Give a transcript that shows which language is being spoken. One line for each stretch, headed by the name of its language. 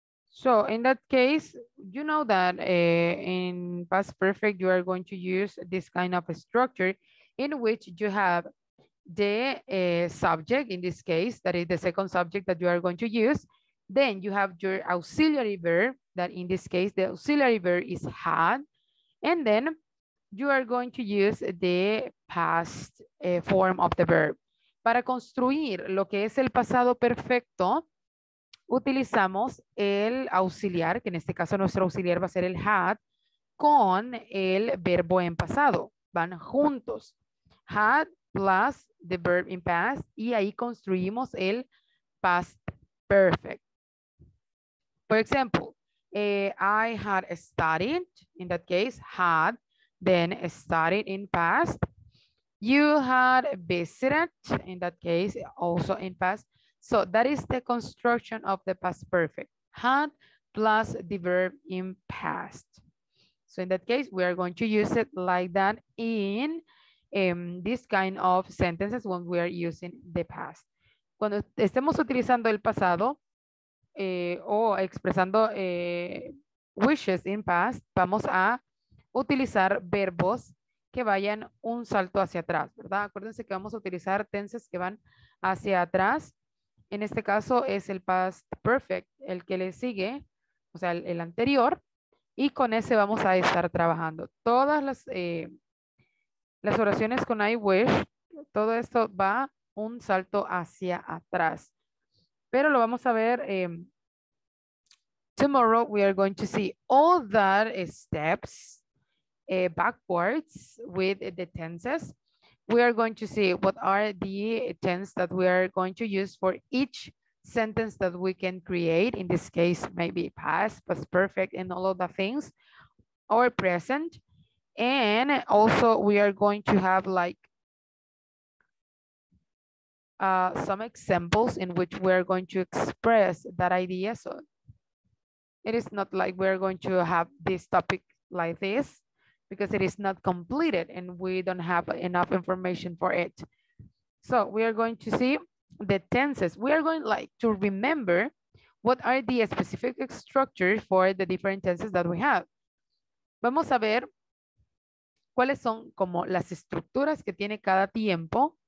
English: So in that case, you know that in past perfect, you are going to use this kind of a structure in which you have the subject, in this case, that is the second subject that you are going to use. Then you have your auxiliary verb, that in this case, the auxiliary verb is had, and then you are going to use the past form of the verb.
Spanish: Para construir lo que es el pasado perfecto, utilizamos el auxiliar, que en este caso nuestro auxiliar va a ser el had, con el verbo en pasado. Van juntos.
English: Had plus the verb in past,
Spanish: y ahí construimos el
English: past perfect. For example, I had studied, in that case, had, then started in past. You had visited, in that case, also in past. So that is the construction of the past perfect. Had plus the verb in past. So in that case, we are going to use it like that in this kind of sentences when we are using the past.
Spanish: Cuando estemos utilizando el pasado o expresando
English: wishes in past,
Spanish: vamos a utilizar verbos que vayan un salto hacia atrás, ¿verdad? Acuérdense que vamos a utilizar tenses que van hacia atrás. En este caso es el past perfect, el que le sigue, o sea, el anterior, Y con ese vamos a estar trabajando. Todas las oraciones con I wish, todo esto va un salto hacia atrás. Pero lo vamos a ver.
English: Tomorrow we are going to see all that steps backwards with the tenses. We are going to see what are the tenses that we are going to use for each sentence that we can create. In this case, maybe past perfect and all of the things, or present. And also we are going to have like some examples in which we are going to express that idea. So it is not like we're going to have this topic like this, because it is not completed and we don't have enough information for it. So we are going to see the tenses. We are going like to remember what are the specific structures for the different tenses that we have.
Spanish: Vamos a ver cuáles son como las estructuras que tiene cada tiempo.